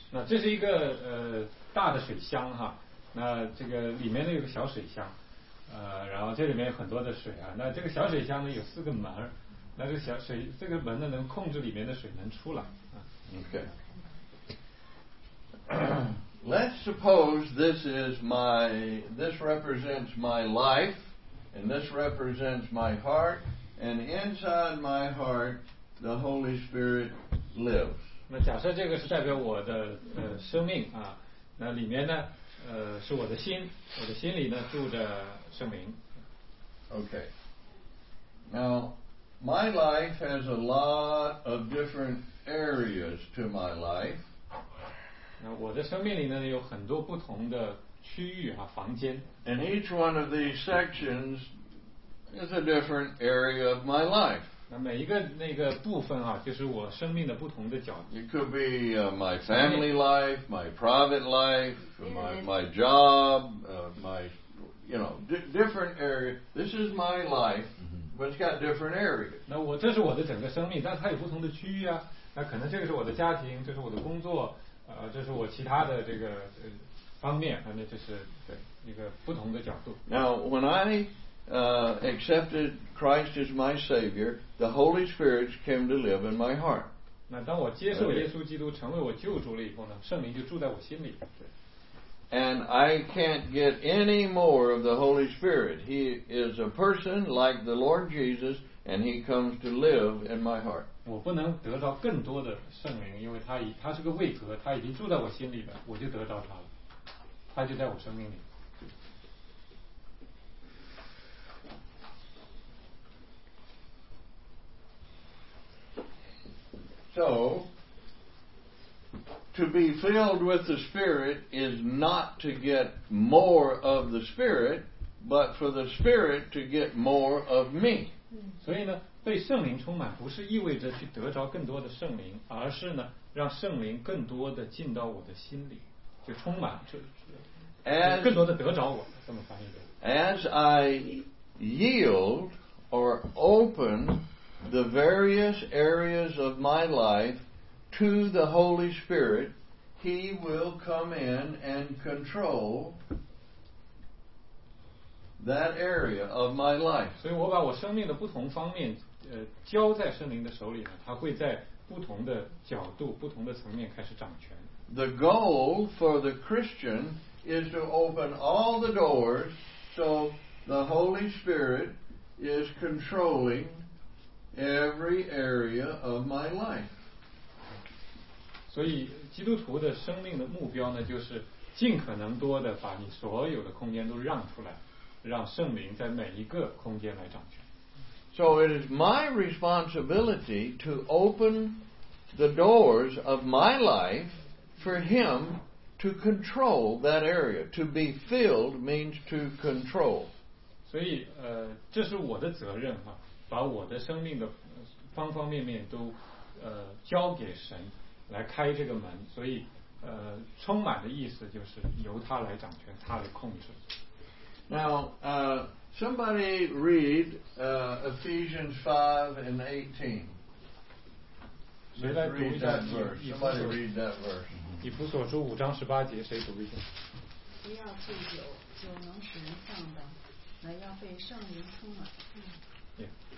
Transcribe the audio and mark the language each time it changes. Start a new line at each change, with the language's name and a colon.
Chinese: 那这是一个大的水箱哈，那这个里面呢有个小水箱，然后这里面有很多的水啊。那这个小水箱呢有四个门，那这小水这个门呢能控制里面的水能出来。
English: Okay. let's suppose this is my, this represents my life, and this represents my heart, and inside my heart, the Holy Spirit lives.
Chinese: 那假设这个是代表我的生命啊，那里面呢是我的心，我的心里呢住着圣灵。
English: Okay. Now, my life has a lot of different areas to my life.
Chinese: 我的生命里呢有很多不同的区域啊，房间。
English: And each one of these sections is a different area of my life.
Chinese: 那每一个那个部分啊，就是我生命的不同的角。
English: It could be my family life, my private life, my job, my, you know, different area. This is my life, but it's got different areas.
Chinese: 那我这是我的整个生命，但它有不同的区域啊。那可能这个是我的家庭，这是我的工作。这是我其他的这个方面，那就是对一个不同的角度。
English: Now, when I accepted Christ as my Savior, the Holy Spirit came to live in my heart.
Chinese: 那当我接受耶稣基督成为我救主了以后呢，圣灵就住在我心里。
English: And I can't get any more of the Holy Spirit. He is a person like the Lord Jesus, and He comes to live in my heart.
Chinese: 我不能得到更多的圣灵，因为他是个位格，他已经住在我心里了，我就得到他了，他就在我生命里。
English: So, to be filled with the Spirit is not to get more of the Spirit, but for the Spirit to get more of me.
Chinese: 所以呢被圣灵充满不是意味着去得着更多的圣灵，而是呢让圣灵更多的进到我的心里，就充满，就更多的得着我，这么翻译的。
English: As I yield or open the various areas of my life to the Holy Spirit, He will come in and control that area of my life.
Chinese: 所以我把我生命的不同方面交在圣灵的手里呢，他会在不同的角度、不同的层面开始掌权。
English: The goal for the Christian is to open all the doors so the Holy Spirit is controlling every area of my life.
Chinese: 所以基督徒的生命的目标呢，就是尽可能多的把你所有的空间都让出来，让圣灵在每一个空间来掌权。
English: So it is my responsibility to open the doors of my life for him to control that area. To be filled means to control.
Chinese: 所以这是我的责任啊，把我的生命的方方面面都交给神来开这个门。所以充满的意思就是由他来掌权，他来控制。
English: Now, somebody read Ephesians 5 and 18. Somebody read that verse.
Chinese: 以弗所书五章十八节，谁读一下？不要醉酒，酒能使人上当，乃要被圣灵充满。